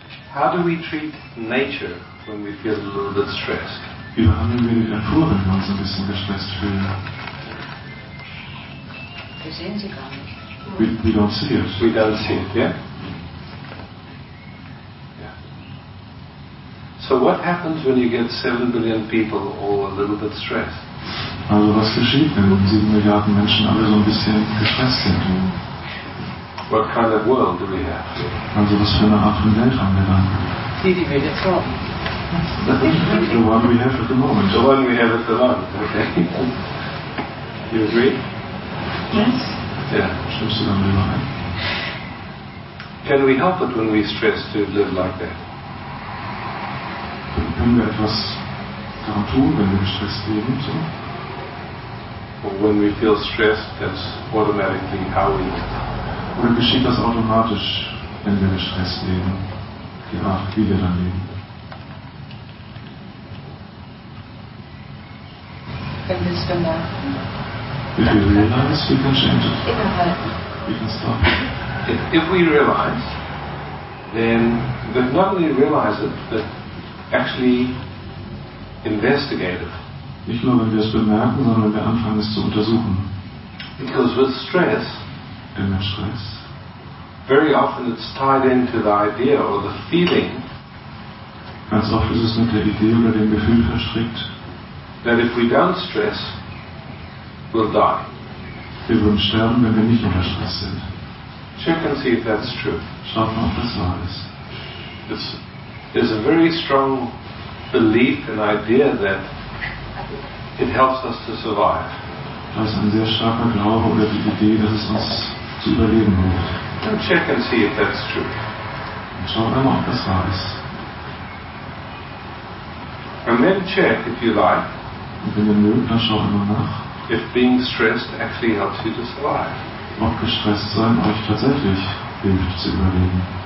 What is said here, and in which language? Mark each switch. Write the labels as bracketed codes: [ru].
[en] How do we treat nature when we feel a little bit stressed? [de] Wie behandeln wir die Natur, wenn wir uns ein bisschen gestresst fühlen? Wir sehen sie gar nicht. [en] We don't see it. We don't see it, yeah? So what happens when you get 7 billion people all a little bit stressed? [de] Also was geschieht, wenn 7 Milliarden Menschen alle so ein bisschen gestresst sind? [en] What kind of world do we have? [de] Also was für eine Art von Welt haben wir dann? [en] The one we have at the moment. The one we have at the moment, okay. You agree? stress? Yeah, stress is going to be right. Can we help it when we stress to live like that? [de] Können wir etwas daran tun, wenn wir gestresst leben? [en] So? Or when we feel stressed, that's automatically how we live. [de] Oder geschieht das automatisch, wenn wir gestresst leben? Die Art, wie wir dann leben. Wenn wir es bemerken. [en] If we realize, we can change it. [de] Innehalten. [en] We can stop. If we realize, then but not only realize it, but actually investigate it. [de] Nicht nur, wenn wir es bemerken, sondern wenn wir anfangen, es zu untersuchen. [en] Because with stress, [de] denn mit Stress, [en] very often it's tied into the idea or the feeling. [de] Ganz oft ist es mit der Idee oder dem Gefühl verstrickt. [en] That if we don't stress, we'll die. [de] Wir würden sterben, wenn wir nicht unter Stress sind. [en] Check and see if that's true. [de] Schau mal, ob das wahr ist. [en] There's a very strong belief and idea that it helps us to survive. [de] Da ist ein sehr starker Glaube oder die Idee, dass es uns zu überleben hilft. [en] And check and see if that's true. [de] Und schau mal, ob das wahr ist. [en] And then check, if you like. [de] Und wenn ihr mögt, dann schau immer nach. [en] If being stressed actually helps you to survive. [de] Ob gestresst sein euch tatsächlich hilft zu überleben.